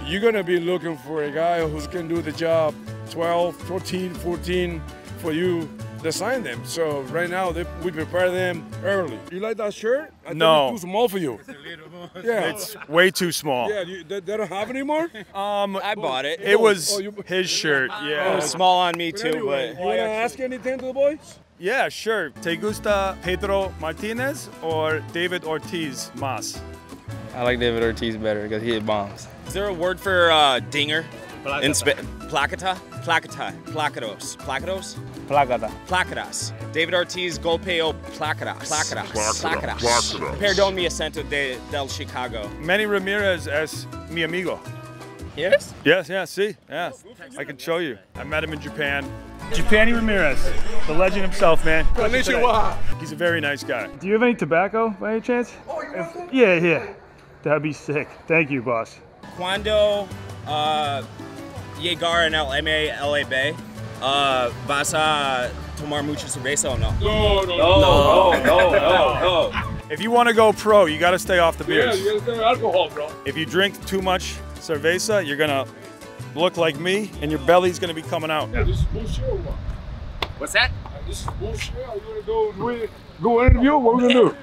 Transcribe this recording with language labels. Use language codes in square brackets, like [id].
[en] You're gonna be looking for a guy who can do the job 12, 13, 14 for you to sign them. So right now, we prepare them early. You like that shirt? No. I think it's too small for you. Yeah, it's way too small. Yeah, they don't have any more? I bought it. It was his shirt, yeah. It was small on me too, but anyway. You wanna ask anything to the boys? Yeah, sure. [es] ¿Te gusta Pedro Martinez or David Ortiz más? [en] I like David Ortiz better because he hit bombs. Is there a word for dinger? [es] Placata? Placata. Placados. Placados? Placata. Placadas. David Ortiz, golpeo, placadas. Placadas. Placadas. Placadas. Perdón mi acento del Chicago. Manny Ramirez es mi amigo. [en] Yes? Yes, yeah, see, yeah. I can show you. I met him in Japan. Japani Ramirez, the legend himself, man. [ja] Konnichiwa. [en] He's a very nice guy. Do you have any tobacco by any chance? Oh, you want some? Yeah. That'd be sick. Thank you, boss. [es] Cuando llegar en el MLB, vas a tomar mucha cerveza o no? [en] No. If you want to go pro, you got to stay off the beers. Yeah, you got to stay alcohol, bro. If you drink too much cerveza, you're going to look like me, and your belly's going to be coming out. Yeah, this is bullshit. Bro. What's that? This is bullshit. Are you going to go interview? What are we going to do?